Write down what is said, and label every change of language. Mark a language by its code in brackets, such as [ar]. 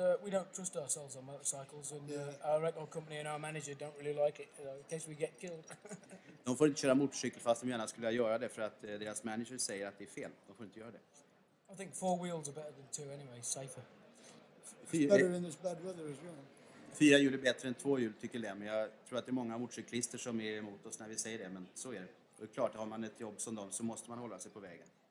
[en] We don't trust ourselves on motorcycles, and our record company and our manager don't really like it. You know, in case we get killed. [sv] De får inte köra motorcykel fast de gärna skulle göra det för att deras manager säger att det är fel. De får inte göra det. [en] I think 4 wheels are better than 2 anyway, safer. It's better in this bad weather as well. [sv] 4 hjul är bättre än 2 hjul tycker jag. Men jag tror att det är många motorcyklister som är emot oss när vi säger det, men så är det. Och det är klart, har man ett jobb som dem så måste man hålla sig på vägen.